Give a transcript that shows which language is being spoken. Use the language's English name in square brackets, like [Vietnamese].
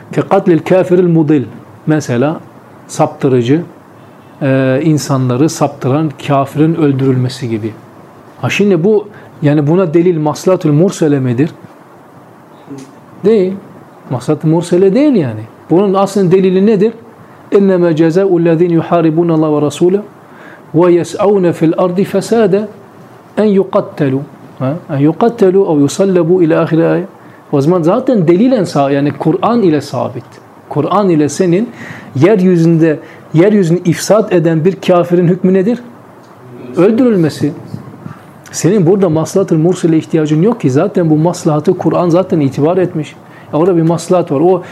[Turkish] Katlil kafiril mudil. Mesela saptırıcı insanları saptıran kafirin öldürülmesi gibi. Ha şimdi bu yani buna delil maslahat-ı mursele midir? Değil. Maslahat-ı mursele değil yani. Bunun aslında delili nedir? [Arabic] إنما جزاء الذين يحاربون الله ورسوله ويسعون في الأرض فسادا أن يقتلوا أن يقتلوا أو يصلبوا إلى آخر آية. [Turkish] وزمان zaten delilen sağ yani Kur'an ile sabit. Kur'an ile senin yeryüzünde yeryüzünü ifsad eden bir kafirin hükmü nedir? Öldürülmesi. Senin burada maslahat-ı mursile ihtiyacın yok ki. Zaten bu maslahatı Kur'an zaten itibar etmiş. Orada bir maslahat var.